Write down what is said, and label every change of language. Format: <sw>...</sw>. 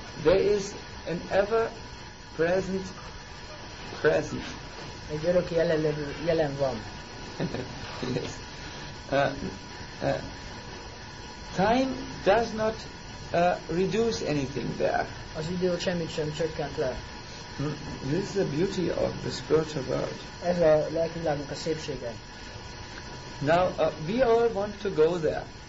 <en>There is an ever present.</en> <hu>Egy öröki jelenlévő jelen van.</hu> <en>Yes. Time does not reduce anything there.</en> <hu>Az idő semmit sem csökkent le.</hu> <en>This is the beauty of the spiritual world.</en> <hu>Ez a lelki világnak a szépsége.</hu> <en>Now we all want to go there.</en>